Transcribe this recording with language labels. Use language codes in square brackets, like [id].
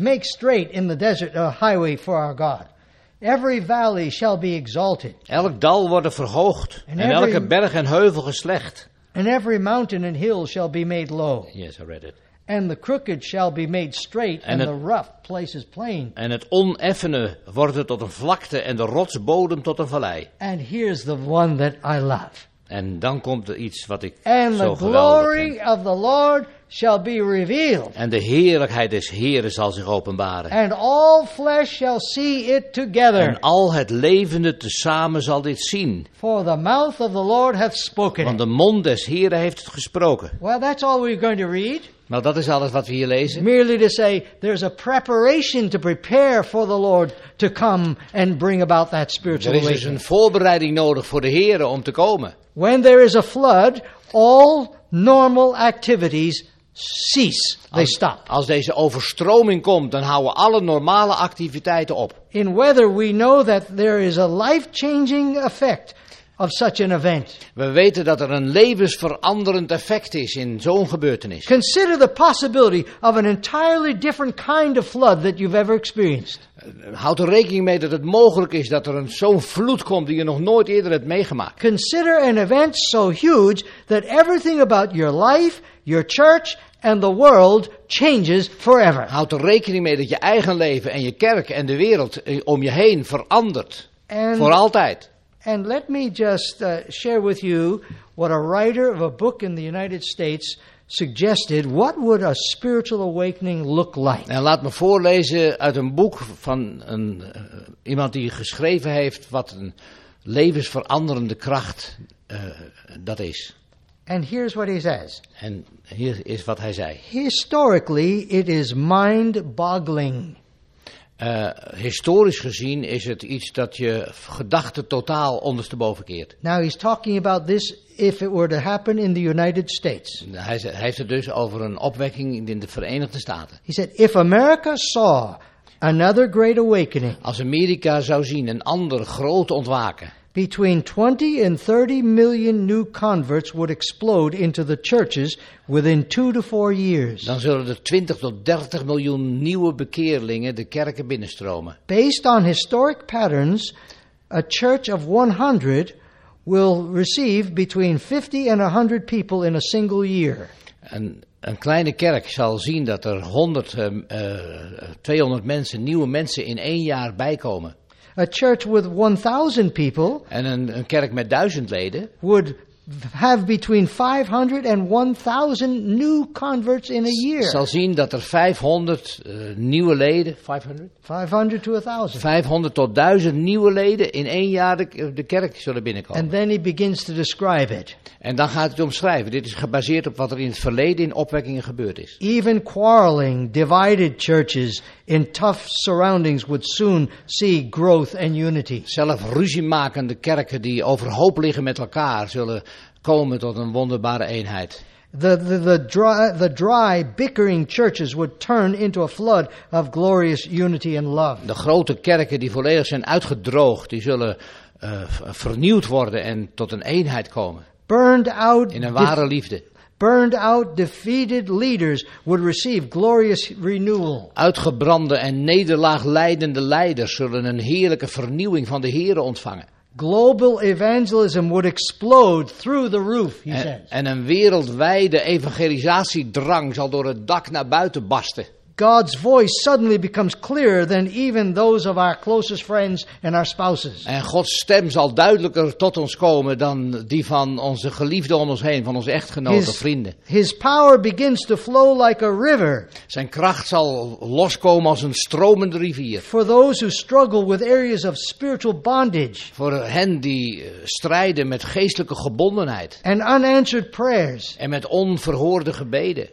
[en] Make straight in the desert a highway for our God. Every valley shall be exalted. [nl] Elk dal wordt verhoogd en elke berg en heuvel geslecht. [en] And every mountain and hill shall be made low. Yes, I read it. And the crooked shall be made straight and the rough places plain. [nl] En het oneffene wordt tot een vlakte en de rotsbodem tot een vallei. [en] And here's the one that I love. [nl] En dan komt er iets wat ik [en] and [nl] zo geweldig vind. [en] And the glory of the Lord shall be revealed. [nl] En de heerlijkheid des Heren zal zich openbaren. [en] And all flesh shall see it together. [nl] En al het levende tezamen zal dit zien. [en] For the mouth of the Lord hath spoken. [nl] Want de mond des Heren heeft het gesproken. [en] Well, that's all we're going to read. [nl] Nou, dat is alles wat we hier lezen. [en] Merely to say, there's a preparation to prepare for the Lord to come and bring about that spiritual awakening. [nl] Er is dus een voorbereiding nodig voor de Heren om te komen. [en] When there is a flood, all normal activities cease. They stop. [nl] Als deze overstroming komt, dan houden alle normale activiteiten op. [en] In weather, we know that there is a life-changing effect of such an event. [nl] We weten dat er een levensveranderend effect is in zo'n gebeurtenis. [en] Consider the possibility of an entirely different kind of flood that you've ever experienced. [nl] Houd er rekening mee dat het mogelijk is dat er zo'n vloed komt die je nog nooit eerder hebt meegemaakt. [en] Consider an event so huge that everything about your life, your church and the world changes forever. [nl] Houd er rekening mee dat je eigen leven en je kerk en de wereld om je heen verandert. [en] And [nl] voor altijd. [en] And let me just share with you what a writer of a book in the United States suggested. What would a spiritual awakening look like? [nl] En laat me voorlezen uit een boek van iemand die geschreven heeft wat een levensveranderende kracht dat is. [en] And here's what he says. [nl] En hier is wat hij zei. [en] Historically, it is mind-boggling. [nl] Historisch gezien is het iets dat je gedachten totaal ondersteboven keert. [en] Now he's talking about this if it were to happen in the United States. [nl] Hij heeft het dus over een opwekking in de Verenigde Staten. [en] He said, if America saw another great awakening. [nl] Als Amerika zou zien een ander groot ontwaken. [en] Between 20 and 30 million new converts would explode into the churches within 2 to 4 years. [nl] Dan zullen er 20 tot 30 miljoen nieuwe bekeerlingen de kerken binnenstromen. [en] Based on historic patterns, a church of 100 will receive between 50 and 100 people in a single year. [nl] Een kleine kerk zal zien dat er 100, 200 mensen, nieuwe mensen in 1 jaar bijkomen. [en] A church with 1,000 people [nl] and een kerk met 1,000 leden [en] would have between 500 and 1,000 new converts in a year. [nl] Zal zien dat er 500 nieuwe leden [en] 500 to 1,000. [nl] 500 tot 1,000 nieuwe leden in 1 jaar de kerk zullen binnenkomen. [en] And then he begins to describe it. [nl] En dan gaat hij het omschrijven. Dit is gebaseerd op wat er in het verleden in opwekkingen gebeurd is. [en] Even quarreling, divided churches in tough surroundings would soon see growth and unity. [nl] Zelf ruziemakende kerken die overhoop liggen met elkaar zullen komen tot een wonderbare eenheid. [en] The dry bickering churches would turn into a flood of glorious unity and love. [nl] De grote kerken die volledig zijn uitgedroogd, die zullen vernieuwd worden en tot een eenheid komen. [en] Burned out [nl] in een ware liefde. [en] Burned out defeated leaders would receive glorious renewal. [nl] Uitgebrande en nederlaagleidende leiders zullen een heerlijke vernieuwing van de Heere ontvangen. [en] Global evangelism would explode through the roof, he says. [nl] En een wereldwijde evangelisatiedrang zal door het dak naar buiten barsten. [en] God's voice suddenly becomes clearer than even those of our closest friends and our spouses. [nl] En Gods stem zal duidelijker tot ons komen dan die van onze geliefden om ons heen, van onze echtgenoten, vrienden. [en] His power begins to flow like a river. [nl] Zijn kracht zal loskomen als een stromende rivier. [en] For those who struggle with areas of spiritual bondage. [nl] Voor hen die strijden met geestelijke gebondenheid. [en] And unanswered prayers. [nl] En met onverhoorde gebeden.